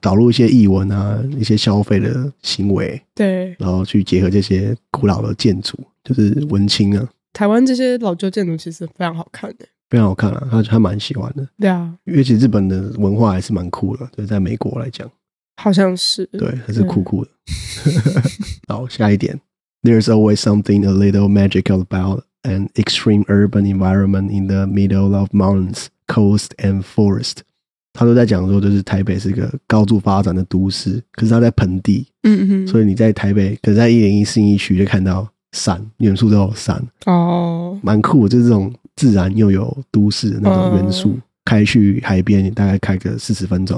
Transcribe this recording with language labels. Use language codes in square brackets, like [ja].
[zh] 导入一些艺文啊，一些消费的行为，对，然后去结合这些古老的建筑，就是文青啊。台湾这些老旧建筑其实非常好看的，非常好看啊，他蛮喜欢的。对啊，因为其实日本的文化还是蛮酷的，对，在美国来讲，好像是，对，还是酷酷的。好，下一点 [en] ，There's always something a little magical about it. An extreme urban environment in the middle of mountains, coast, and forest. [zh] 他都在讲说，就是台北是个高度发展的都市，可是他在盆地，嗯哼，所以你在台北，可是在101信义区就看到山，远处都有山，哦，蛮酷的，就是这种自然又有都市的那种元素。开去海边，你大概开个40分钟，